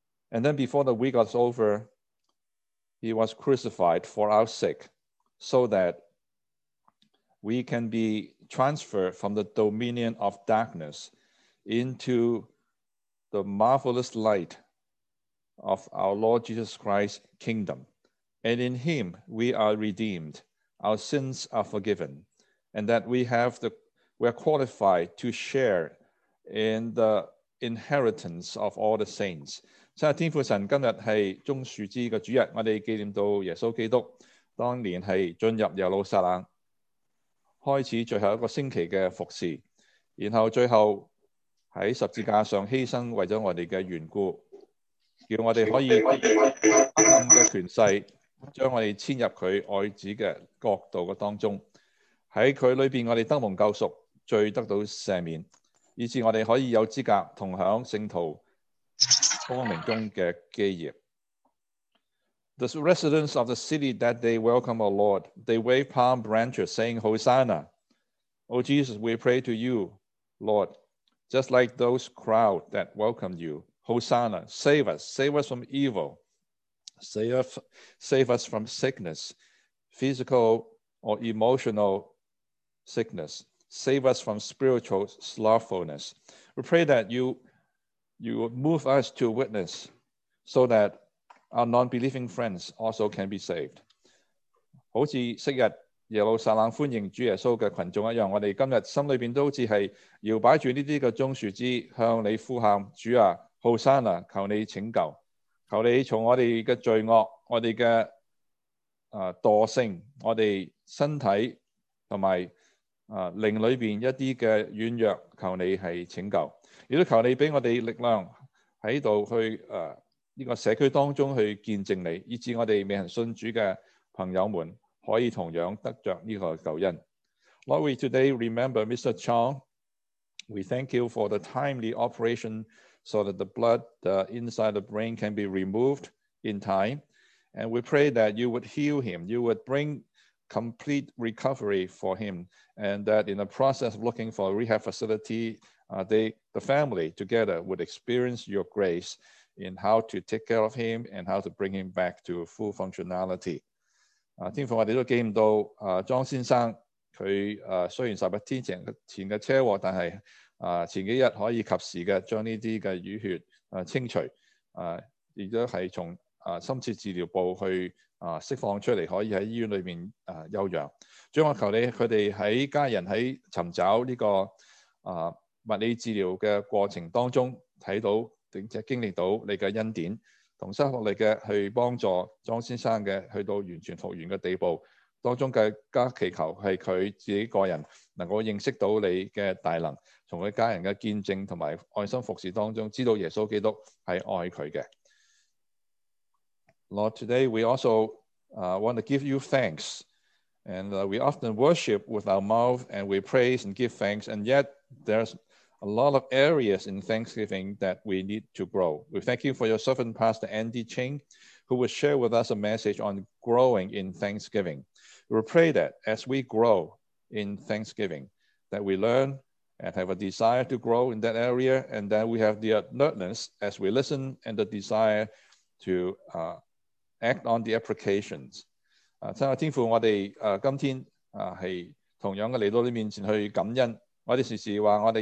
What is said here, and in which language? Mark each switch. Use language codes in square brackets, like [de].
[en] And then before the week was over, he was crucified for our sake, so that we can be transfer from the dominion of darkness into the marvelous light of our Lord Jesus Christ's kingdom. And in him we are redeemed, our sins are forgiven, and that we are qualified to share in the inheritance of all the saints. [zh] 亲爱的天父神，今日是棕树枝的主日，我们纪念到耶稣基督当年是进入耶路撒冷開始最後一個星期的服事，然後最後在十字架上犧牲為了我們的緣故，叫我們可以黑暗的權勢將我們遷入祂愛子的國度當中，在祂裏面我們得蒙救贖，罪得到赦免，以致我們可以有資格同享聖徒光明中的基業。 [en] The residents of the city that day welcome our Lord. They wave palm branches saying, Hosanna. O Jesus, we pray to you, Lord, just like those crowd that welcomed you. Hosanna, save us. Save us from evil. Save us from sickness, physical or emotional sickness. Save us from spiritual slothfulness. We pray that you move us to witness so that our non-believing friends also can be saved. [zh] 好似昔日耶路撒冷歡迎主耶穌的群眾一樣，我們今天心裏面都好像是搖擺著這些棕樹枝向你呼喊，主啊， Hosanna， 求你拯救，求你從我們的罪惡，我們的惰性，我們身體和靈裏面一些的軟弱，求你是拯救，也求你給我們力量在這裡去这个社区当中去见证你，以致我们未行信主的朋友们可以同样得着这个救恩。 [en] Lord, we today remember Mr. Chong. We thank you for the timely operation so that the blood inside the brain can be removed in time. And we pray that you would heal him, you would bring complete recovery for him, and that in the process of looking for a rehab facility, the family together would experience your grace in how to take care of him and how to bring him back to full functionality. [zh] 天父，我們都記到莊先生，他雖然11天前的車禍，但是前幾天可以及時的將這些淤血清除，也都是從深切治療部去釋放出來，可以在醫院裡面休養。主，我求你他們在家人在尋找這個物理治療的過程當中看到並且經歷到你的恩典，同心合力的去幫助莊先生的去到完全復原的地步，當中的加祈求是他自己個人能夠認識到你的大能，從他家人的見證和愛心服事當中知道耶穌基督是愛他的。 [en] Lord, today we also want to give you thanks, and we often worship with our mouth and we praise and give thanks, and yet there's a lot of areas in Thanksgiving that we need to grow. We thank you for your servant, Pastor Andy Ching, who will share with us a message on growing in Thanksgiving. We pray that as we grow in Thanksgiving, that we learn and have a desire to grow in that area, and that we have the alertness as we listen and the desire to act on the applications. [zh] 亲爱的天父，我们今天是同样的来到你面前去感恩。